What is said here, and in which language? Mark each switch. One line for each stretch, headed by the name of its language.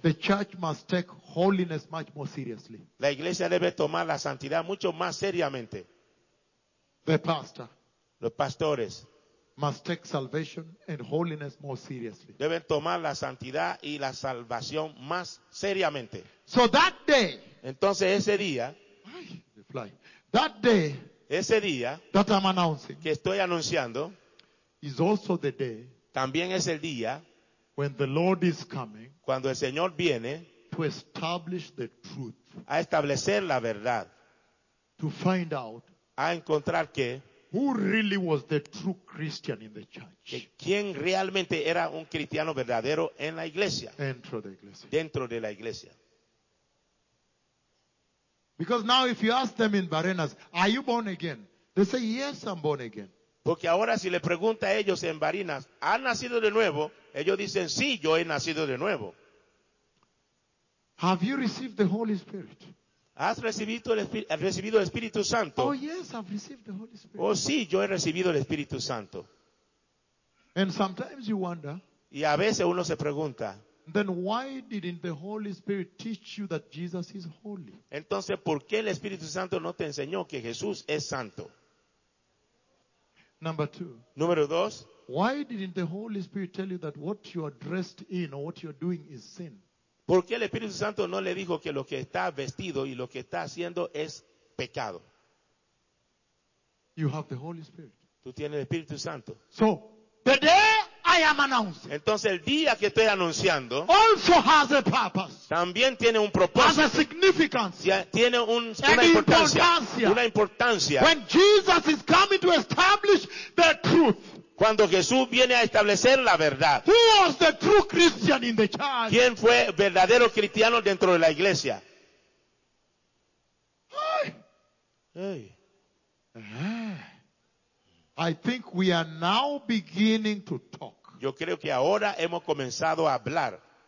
English: the church must take holiness much more seriously.
Spanish: La iglesia debe tomar la santidad mucho más seriamente.
English: The pastor,
Spanish: los pastores,
English: must take salvation and holiness more seriously.
Spanish: Deben tomar la santidad y la salvación más seriamente.
English: So that day,
Spanish: entonces ese día,
English: the fly, that day.
Spanish: Ese día
English: that I'm announcing
Spanish: que estoy anunciando
English: is also the day
Spanish: también es el día
English: when the Lord is coming
Spanish: cuando el Señor viene
English: to establish the truth,
Spanish: a establecer la verdad,
English: to find out
Spanish: a encontrar que
English: who really was the true Christian in the church,
Spanish: que quién realmente era un cristiano verdadero en la iglesia, dentro de la iglesia, dentro de la iglesia.
English: Because now if you ask them in Barinas, are you born again? They say, yes, I'm born again.
Spanish: Porque ahora si le pregunta a ellos en Barinas, ¿han nacido de nuevo? Ellos dicen, sí, yo he nacido de nuevo.
English: Have you received the Holy Spirit?
Spanish: ¿Has recibido el Espíritu Santo?
English: Oh, yes, I've received the Holy Spirit.
Spanish: Oh, sí, yo he recibido el Espíritu Santo.
English: And sometimes you wonder.
Spanish: Y a veces uno se pregunta.
English: Then why didn't the Holy Spirit teach you that Jesus is holy?
Spanish: Entonces, ¿por qué el Espíritu Santo no te enseñó que Jesús es santo?
English: Number two.
Spanish: Número dos.
English: Why didn't the Holy Spirit tell you that what you are dressed in or what you are doing is sin?
Spanish: ¿Por qué el Espíritu Santo no le dijo que lo que está vestido y lo que está haciendo es pecado?
English: You have the Holy Spirit.
Spanish: Tú tienes el Espíritu Santo.
English: So, the day I am announcing.
Spanish: Entonces el día que estoy anunciando
English: also has a purpose,
Spanish: también tiene un propósito,
English: has a significance,
Spanish: tiene una importancia, una importancia.
English: When Jesus is coming to establish the truth,
Spanish: cuando Jesús viene a establecer la verdad,
English: who was the true Christian in the church?
Spanish: ¿Quién fue verdadero cristiano dentro de la iglesia? Hey.
English: I think we are now beginning to talk.
Spanish: Yo creo que ahora hemos comenzado a hablar.